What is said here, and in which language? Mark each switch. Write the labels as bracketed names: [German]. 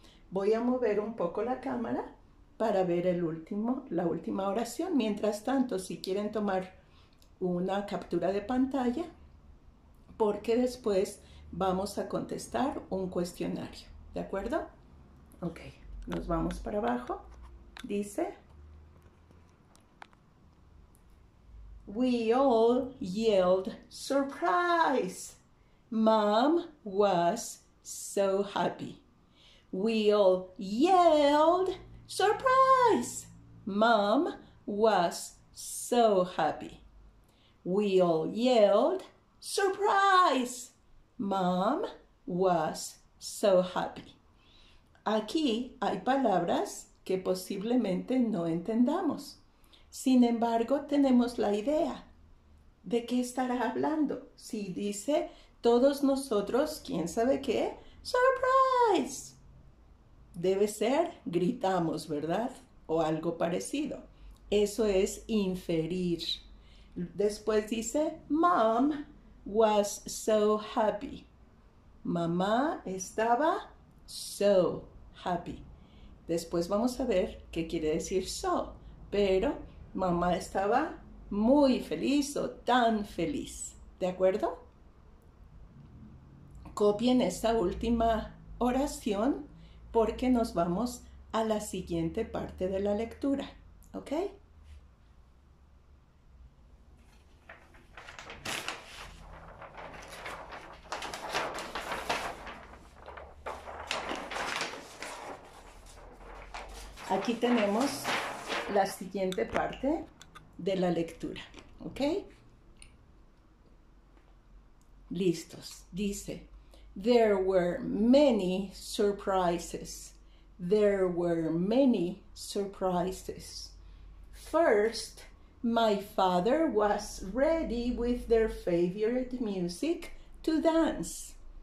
[Spanish] Voy a mover un poco la cámara para ver la última oración. Mientras tanto, si quieren tomar una captura de pantalla, porque después vamos a contestar un cuestionario. ¿De acuerdo? Ok, nos vamos para abajo. [English] Dice, we all yelled surprise. Mom was so happy. We all yelled, surprise! Mom was so happy. We all yelled, surprise! Mom was so happy. [Spanish] Aquí hay palabras que posiblemente no entendamos. Sin embargo, tenemos la idea. ¿De qué estará hablando? Si dice, todos nosotros, quién sabe qué, ¡Surprise! Debe ser, gritamos, ¿verdad? O algo parecido. Eso es inferir. Después dice, [English] Mom was so happy. [Spanish] Mamá estaba [English] so happy. [Spanish] Después vamos a ver qué quiere decir so, pero mamá estaba muy feliz o tan feliz. ¿De acuerdo? Copien esta última oración porque nos vamos a la siguiente parte de la lectura. ¿Ok? Aquí tenemos la siguiente parte de la lectura, ¿ok? Listos. [English] Dice, there were many surprises. There were many surprises. First, my father was ready with their favorite music to dance.